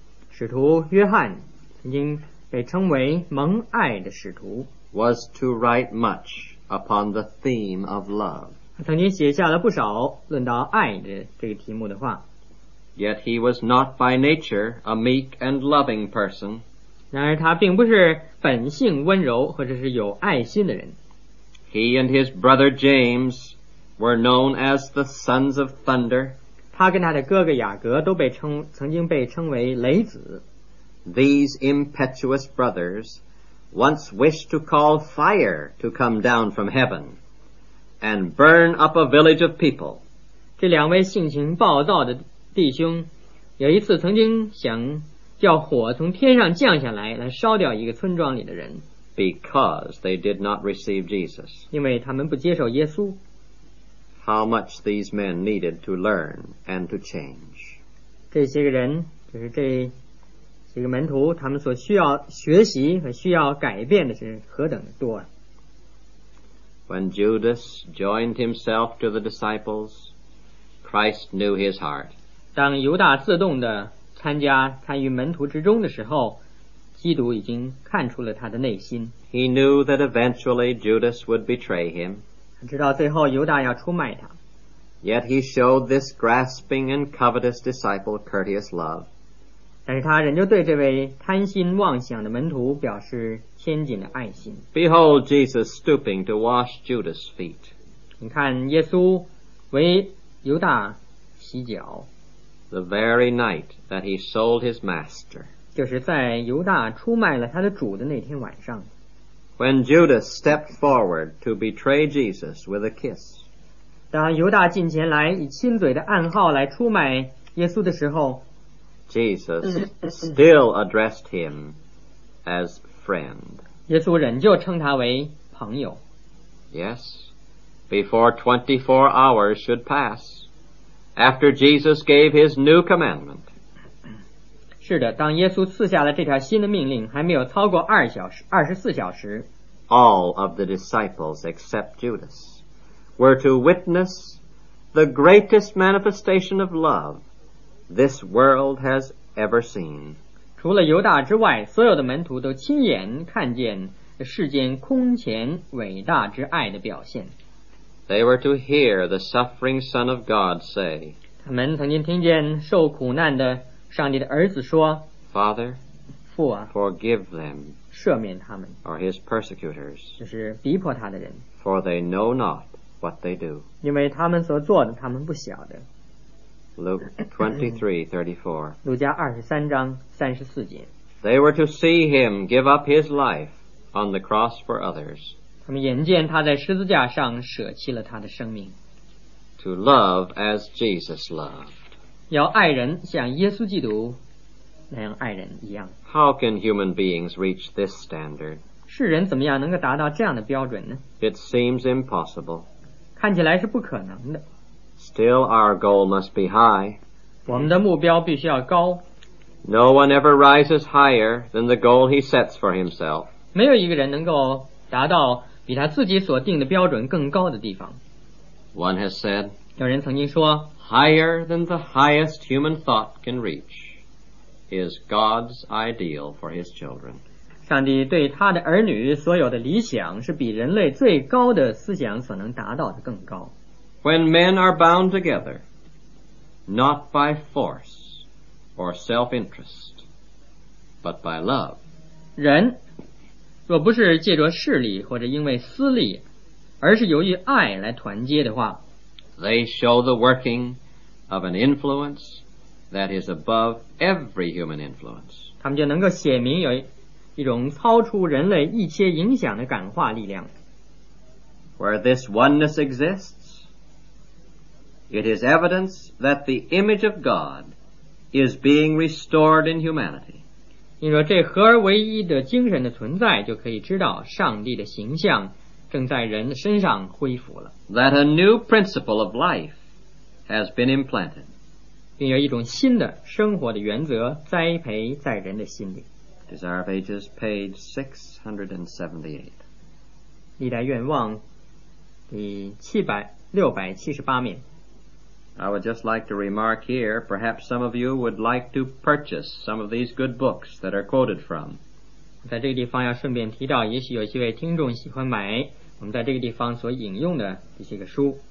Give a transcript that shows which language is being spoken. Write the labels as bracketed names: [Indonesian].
[Chinese] 使徒约翰曾经被称为蒙爱的使徒 [English] was to write much upon the theme of love. [Chinese] 他曾经写下了不少论到爱的这个题目的话。 [English] Yet he was not by nature a meek and loving person. [Chinese] 然而他并不是本性温柔或者是有爱心的人。 [English] He and his brother James were known as the sons of thunder. [Chinese] 他跟他的哥哥雅各都曾经被称为雷子。 [English] These impetuous brothers once wished to call fire to come down from heaven and burn up a village of people. [Chinese] 这两位性情暴躁的弟兄有一次曾经想叫火从天上降下来来烧掉一个村庄里的人。 [English] Because they did not receive Jesus. [Chinese] 因为他们不接受耶稣。 [English] How much these men needed to learn and to change. [Chinese] 这些个人就是这这个门徒他们所需要学习和需要改变的是何等的多。 [English] When Judas joined himself to the disciples, Christ knew his heart. [Chinese] 当犹大自动的参与门徒之中的时候，基督已经看出了他的内心。 [English] He knew that eventually Judas would betray him. [Chinese] 直到最后犹大要出卖他。 [English] Yet he showed this grasping and covetous disciple courteous love. [Chinese] 但是他仍旧对这位贪心妄想的门徒表示谦谨的爱心。 [English] Behold Jesus stooping to wash Judas' feet. [Chinese] 你看耶稣为犹大洗脚。 [English] The very night that he sold his master. [Chinese] 就是在犹大出卖了他的主的那天晚上。 [English] When Judas stepped forward to betray Jesus with a kiss. [Chinese] 当犹大进前来以亲嘴的暗号来出卖耶稣的时候， [English] Jesus still addressed him as friend. [Chinese] 耶稣仍旧称他为朋友。 [English] Yes, before 24 hours should pass, after Jesus gave his new commandment. [Chinese] 是的，当耶稣赐下了这条新的命令，还没有超过24小时。 [English] All of the disciples except Judas were to witness the greatest manifestation of love this world has ever seen. [Chinese] 除了犹大之外，所有的门徒都亲眼看见世间空前伟大之爱的表现。 [English] They were to hear the suffering Son of God say, [Chinese] 他们曾经听见受苦难的上帝的儿子说， [English] Father, [Chinese] 父啊， [English] forgive them, [Chinese] 赦免他们， [English] or his persecutors, [Chinese] 就是逼迫他的人， [English] for they know not what they do. [Chinese] 因为他们所做的他们不晓得。 [English] Luke 23:34. [Chinese] 路加23章34节。 [English] They were to see him give up his life on the cross for others. [Chinese] 他们眼见他在十字架上舍弃了他的生命。 [English] To love as Jesus loved. [Chinese] 要爱人像耶稣基督那样爱人一样。 [English] How can human beings reach this standard? [Chinese] 世人怎么样能够达到这样的标准呢? [English] It seems impossible. [Chinese] 看起来是不可能的。 [English] Still, our goal must be high. [Chinese] 我们的目标必须要高。 [English] No one ever rises higher than the goal he sets for himself. [Chinese] 没有一个人能够达到比他自己所定的标准更高的地方。 [English] One has said, [Chinese] 有人曾经说, [English] higher than the highest human thought can reach is God's ideal for his children. [Chinese] 上帝对他的儿女所有的理想是比人类最高的思想所能达到的更高。 [English] When men are bound together, not by force, or self-interest, but by love. [Chinese] 人若不是借着势力或者因为私利，而是由于爱来团结的话， [English] They show the working of an influence that is above every human influence. [Chinese] 他们就能够显明有一种超出人类一切影响的感化力量。 [English] Where this oneness exists, it is evidence that the image of God is being restored in humanity. [Chinese] 你说这合而为一的精神的存在就可以知道上帝的形象正在人身上恢复了。 [English] That a new principle of life has been implanted. [Chinese] 并有一种新的生活的原则栽培在人的心里。 [English] Desire of Ages, page 678. [Chinese] 历代愿望第678面。 [English] I would just like to remark here, perhaps some of you would like to purchase some of these good books that are quoted from. [Chinese] 在这个地方要顺便提到，也许有些位听众喜欢买我们在这个地方所引用的一些个书。